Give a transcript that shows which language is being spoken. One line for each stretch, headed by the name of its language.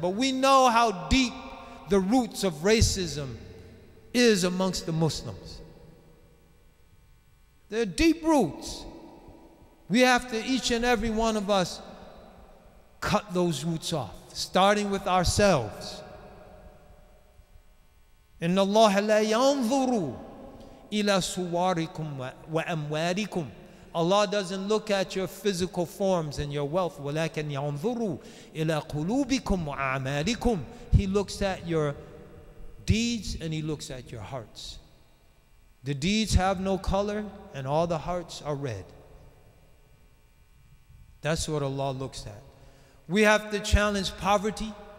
English: But we know how deep the roots of racism is amongst the Muslims. They're deep roots. We have to, each and every one of us, cut those roots off, starting with ourselves.
Arabic: إن الله لا ينظر إلى صوركم وأموالكم.
English: Allah doesn't look at your physical forms and your wealth.
Arabic: ولكن ينظر إلى قلوبكم وأعمالكم.
English: He looks at your deeds and he looks at your hearts. The deeds have no color and all the hearts are red. That's what Allah looks at. We have to challenge poverty.